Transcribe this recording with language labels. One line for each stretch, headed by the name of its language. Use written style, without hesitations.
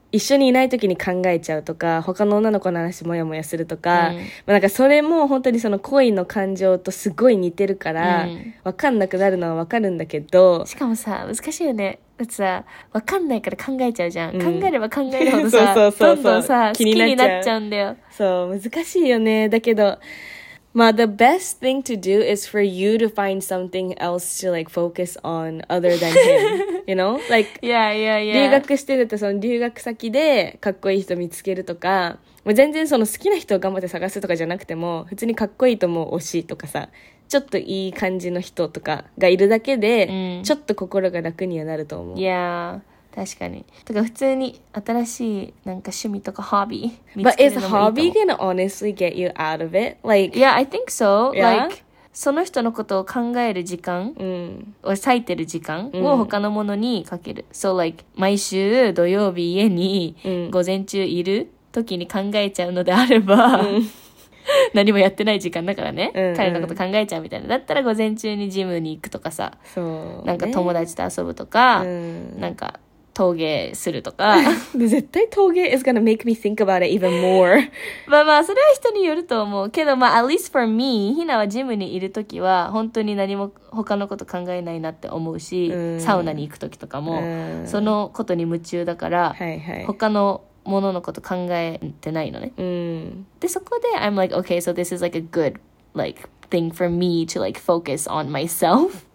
Japanese: 一緒にいない時に考えちゃうとか、他の女の子の話もやもやするとか、なんかそれも本当にその恋の感情とすごい似てるから、わかんなくなるのはわかるんだけど、しかもさ、難しいよね。だってさ、わかんないから考えちゃうじゃん。考えれば考えるほどさ、どんどんさ、好きになっちゃうんだよ。そう、難しいよね。だけど、まあ
English: the best thing to do is for you to find something else to like focus on other than him. You know, like, yeah.
Japanese: 留学してるとその留学先でかっこいい人見つけるとか、もう全然その好きな人を頑張って探すとかじゃなくても、普通にかっこいいとも惜しいとかさ、ちょっといい感じの人とかがいるだけで、ちょっと心が楽にはなると思う。 Yeah, 確かに。とか普通に新しいなんか趣味とかハービー見つけるのもいいと思う。
English: But is hobby gonna honestly get you out of it? Like, yeah, I think so. Yeah?
Japanese: Like,その人のことを考える時間、を割いてる時間を他のものにかける。 So like 毎週土曜日家に午前中いる時に考えちゃうのであれば、何もやってない時間だからね、彼のこと考えちゃうみたいな。だったら午前中にジムに行くとかさ、そうね、なんか友達と遊ぶとか、なんか陶芸するとか。絶対陶芸
English: is gonna make me think about it even more.
Japanese: まあまあそれは人によると思うけど、まあ
English: at least for me,
Japanese: ヒナはジムにいるときは本当に何も他のこと考えないなって思うし、サウナに行くときとかもそのことに夢中だから、はいはい、他のもののこと考えてないのね。でそこで
English: I'm like, okay, so this is like a good like thing for me to like focus on myself.